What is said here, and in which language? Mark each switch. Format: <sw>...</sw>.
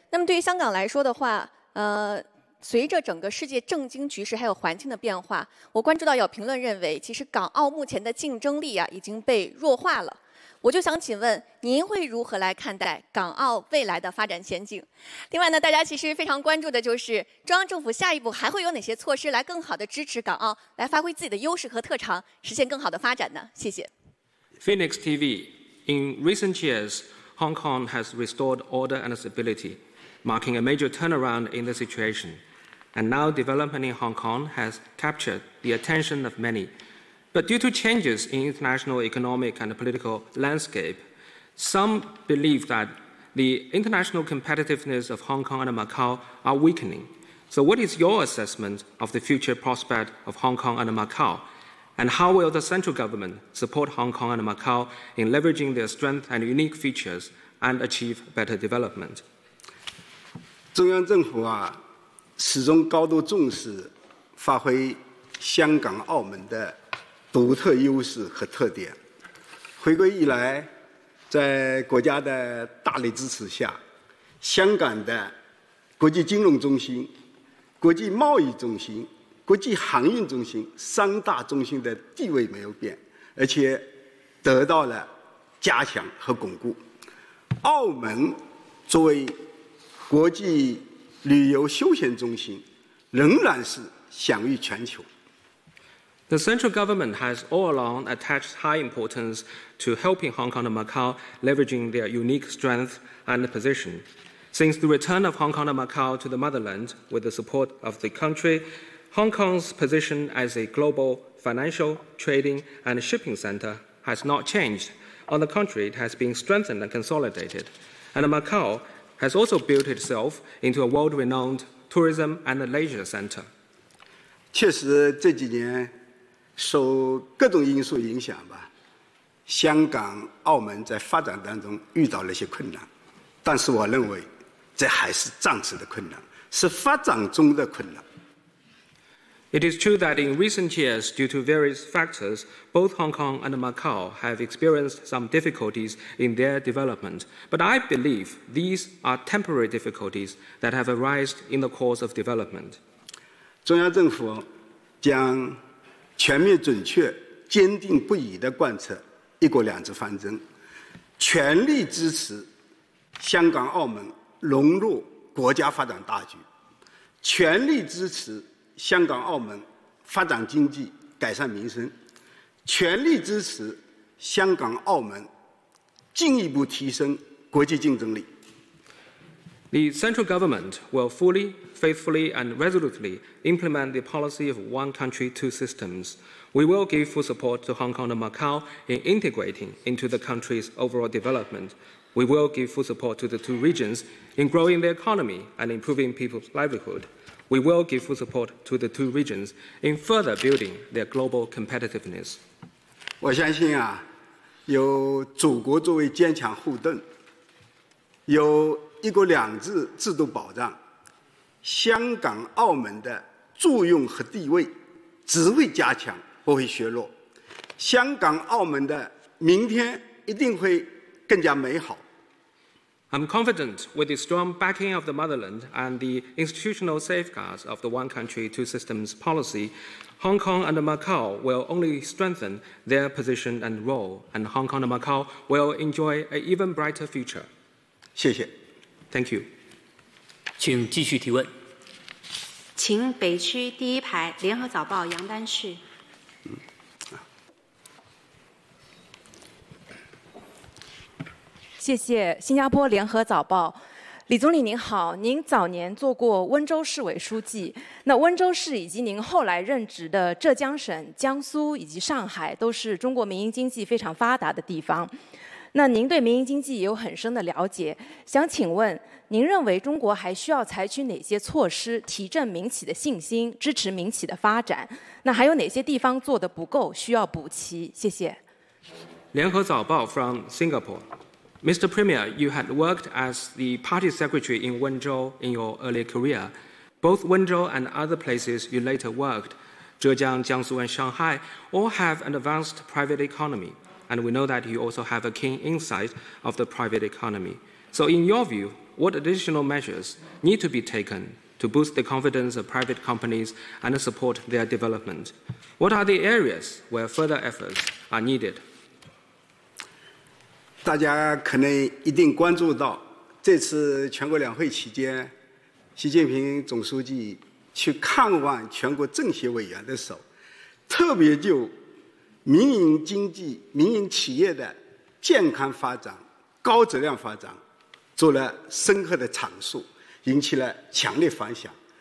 <zh>那么对于香港来说的话，随着整个世界政经局势还有环境的变化，我关注到有评论认为，其实港澳目前的竞争力啊已经被弱化了。我就想请问，您会如何来看待港澳未来的发展前景？另外呢，大家其实非常关注的就是中央政府下一步还会有哪些措施来更好的支持港澳，来发挥自己的优势和特长，实现更好的发展呢？谢谢。</zh> <en>Phoenix TV. In recent years, Hong Kong has restored order and stability, marking a major turnaround in the situation. And now development in Hong Kong has captured the attention of many. But due to changes in international economic and political landscape, some believe that the international competitiveness of Hong Kong and Macau are weakening. So what is your assessment of the future prospect of Hong Kong and Macau? And how will the central government support Hong Kong and Macau in leveraging their strengths and unique features and achieve better development?</en> <zh>中央政府啊，始终高度重视发挥香港、澳门的独特优势和特点。回归以来，在国家的大力支持下，香港的国际金融中心、国际贸易中心国际航运中心三大中心的地位没有变，而且得到了加强和巩固。澳门作为国际旅游休闲中心仍然是享誉全球。</zh> <en>The central government has all along attached high importance to helping Hong Kong and Macau leveraging their unique strength and position. Since the return of Hong Kong and Macau to the motherland with the support of the country, Hong Kong's position as a global financial, trading and shipping center has not changed. On the contrary, it has been strengthened and consolidated. And Macau has also built itself into a world-renowned tourism and leisure center.</en> <zh>确实这几年受各种因素影响吧，香港、澳门在发展当中遇到了一些困难，但是我认为这还是暂时的困难，是发展中的困难。</zh> <en>It is true that in recent years, due to various factors, both Hong Kong and Macau have experienced some difficulties in their development. But I believe these are temporary difficulties that have arisen in the course of development.</en> <zh>中央政府将全面准确、坚定不移地贯彻一国两制方针，全力支持香港、澳门融入国家发展大局，全力支持香港、澳门发展经济、改善民生，全力支持香港、澳门进一步提升国际竞争力。</zh> <en>The central government will fully, faithfully, and resolutely implement the policy of one country, two systems. We will give full support to Hong Kong and Macau in integrating into the country's overall development. We will give full support to the two regions in growing their economy and improving people's livelihood. We will give full support to the two regions in further building their global competitiveness.</en> <zh>我相信啊，有祖国作为坚强后盾，有一国两制制度保障，香港、澳门的作用和地位只会加强，不会削弱。香港、澳门的明天一定会更加美好。</zh> <en>I'm confident with the strong backing of the motherland and the institutional safeguards of the One Country, Two Systems policy, Hong Kong and Macau will only strengthen their position and role, and Hong Kong and Macau will enjoy an even brighter future.</en> <zh>谢谢。</zh> <en>Thank you.</en> <zh>请继续提问。请北区第一排联合早报杨丹旭。谢谢新加坡联合早报。李总理您好，您早年做过温州市委书记，那温州市以及您后来任职的浙江省、江苏以及上海都是中国民营经济非常发达的地方，那您对民营经济也有很深的了解，想请问您认为中国还需要采取哪些措施提振民企的信心，支持民企的发展，那还有哪些地方做得不够需要补齐？谢谢。</zh> <en>联合早报 from Singapore。Mr. Premier, you had worked as the party secretary in Wenzhou in your early career. Both Wenzhou and other places you later worked, Zhejiang, Jiangsu, and Shanghai, all have an advanced private economy. And we know that you also have a keen insight of the private economy. So in your view, what additional measures need to be taken to boost the confidence of private companies and support their development? What are the areas where further efforts are needed?</en> <zh>大家可能一定关注到，这次全国两会期间，习近平总书记去看望全国政协委员的时候，特别就民营经济、民营企业的健康发展、高质量发展做了深刻的阐述，引起了强烈反响。</zh>